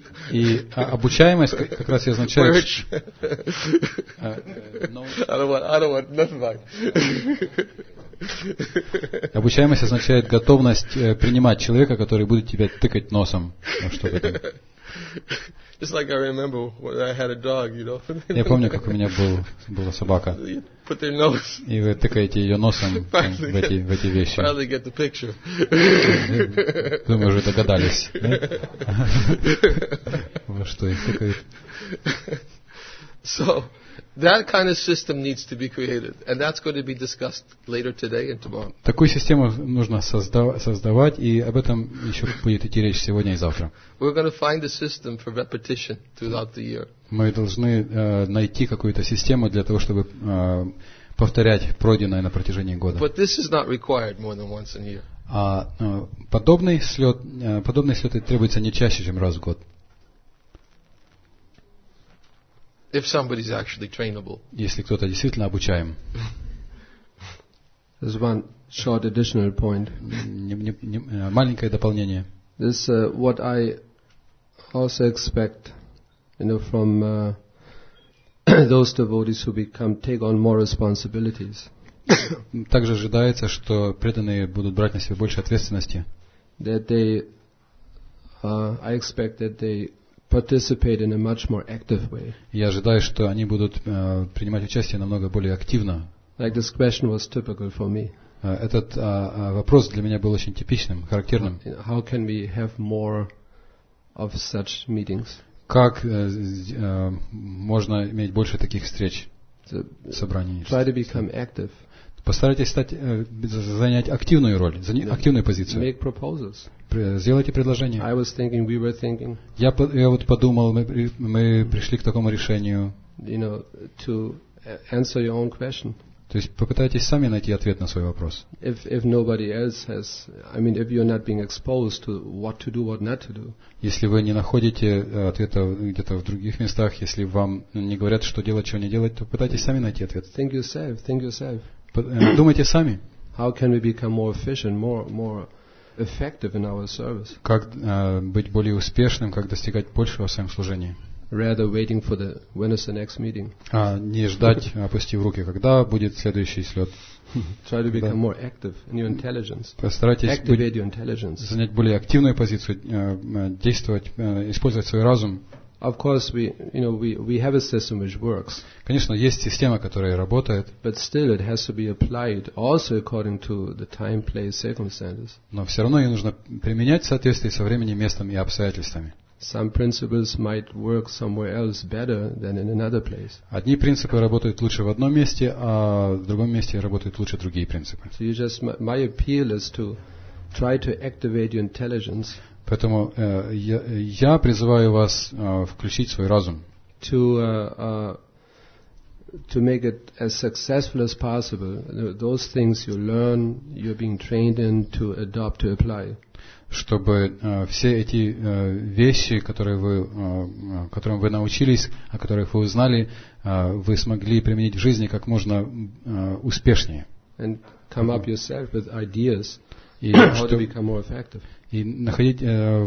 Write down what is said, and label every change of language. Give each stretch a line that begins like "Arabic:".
Russian: И обучаемость как раз и означает.
English: I don't want nothing.
Russian: Обучаемость означает готовность принимать человека, который будет тебя тыкать носом, чтобы.
English: Just like I remember when I had a dog, you know.
Russian: Я помню, как у меня была собака.
English: Put their nose.
Russian: И вы тыкаете ее носом в эти вещи.
English: Finally get the picture.
Russian: Думаю, уже догадались, во что их тыкают.
English: So that kind of system needs to be created, and that's going to be discussed later today and tomorrow.
Russian: Такую систему нужно создавать, и об этом еще будет идти речь сегодня и завтра.
English: We're going to find a system for repetition throughout the year.
Russian: Мы должны найти какую-то систему для того, чтобы повторять пройденное на протяжении года.
English: But this is not required more than once a year.
Russian: А подобные слеты требуются не чаще, чем раз в год.
English: If somebody is actually trainable.
Russian: Если кто-то действительно обучаем.
English: There's one short additional point.
Russian: Маленькое дополнение.
English: This what I also expect, you know, from those devotees who become take on more responsibilities.
Russian: Также ожидается, что преданные будут брать на себя больше ответственности.
English: That they, I expect that they. Participate in a much more active way.
Russian: Я ожидаю, что они будут принимать участие намного более активно.
English: Like this question was typical for me.
Russian: Этот вопрос для меня был очень типичным, характерным.
English: How can we have more of such meetings?
Russian: Как можно иметь больше таких встреч, собраний?
English: Try to become active.
Russian: Постарайтесь занять активную роль, активную позицию.
English: Make proposals.
Russian: Сделайте предложение.
English: I was thinking, we were thinking.
Russian: Я вот подумал, мы пришли к такому решению.
English: You know, to answer your own question.
Russian: То есть попытайтесь сами найти ответ на свой вопрос.
English: If nobody else has, I mean, if you're not being exposed to what to do, what not to do.
Russian: Если вы не находите ответа где-то в других местах, если вам не говорят, что делать, чего не делать, то попытайтесь сами найти ответ.
English: Think yourself.
Russian: Думайте сами.
English: How can we become more efficient, more effective in our service?
Russian: Как быть более успешным, как достигать большего в своем служении?
English: Rather waiting for the when is the next meeting?
Russian: Не ждать, опустив руки, когда будет следующий слет.
English: Try to become more active in your intelligence.
Russian: Постарайтесь
English: activate your intelligence.
Russian: Занять более активную позицию, действовать, использовать свой разум.
English: Of course, we, you know, we have a system which works.
Russian: Конечно, есть система, которая работает.
English: But still, it has to be applied also according to the time, place, circumstances.
Russian: Но все равно ее нужно применять в соответствии со временем, местом и обстоятельствами.
English: Some principles might work somewhere else better than in another place.
Russian: Одни принципы работают лучше в одном месте, а в другом месте работают лучше другие принципы.
English: So you just, my appeal is to try to activate your intelligence.
Russian: Поэтому я призываю вас включить свой разум.
English: To make it as successful as possible, those things you learn, you're being trained in to adopt, to apply.
Russian: Чтобы все эти вещи, которым вы научились, о которых вы узнали, вы смогли применить в жизни как можно успешнее.
English: And come up yourself with ideas.
Russian: И
English: how to become more effective.